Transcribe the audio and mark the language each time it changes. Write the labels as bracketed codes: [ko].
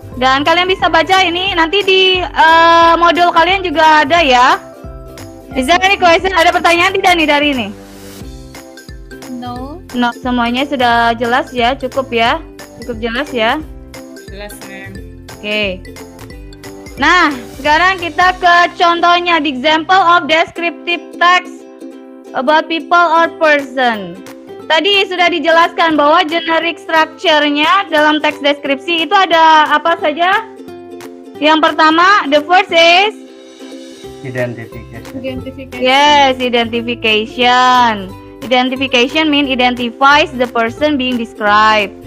[id] Dan kalian bisa baca ini nanti di modul kalian juga ada ya. [en] Is there any question? [id] Ada pertanyaan tidak nih dari ini? [en] No. [id] No, semuanya sudah jelas ya, cukup ya. Cukup jelas ya. Jelas, ma'am. Oke. Nah, sekarang kita ke contohnya. [en] The example of descriptive text about people or person. Tadi sudah dijelaskan bahwa generic structure-nya dalam teks deskripsi itu ada apa saja? [id] Yang pertama, [en] the first is identification. Yes, identification. Identification mean identifies the person being described.